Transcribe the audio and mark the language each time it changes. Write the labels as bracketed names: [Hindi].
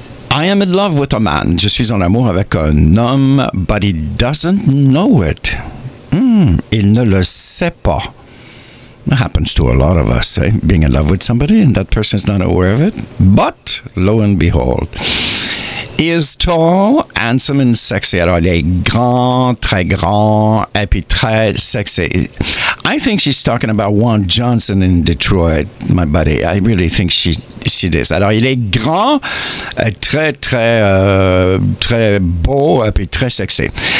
[English] I am in love with a man. [French] Je suis en amour avec un homme, [English] but he doesn't know it. [French] Il ne le sait pas. [English] It happens to a lot of us, eh? Being in love with somebody and that person is not aware of it. But, lo and behold, he is tall, handsome, and sexy. [French] Alors, il est grand, très grand, et puis très sexy. [English] I think she's talking about Juan Johnson in Detroit, my buddy. I really think she is. [French] Alors, il est grand, très, très, très beau, et puis très sexy.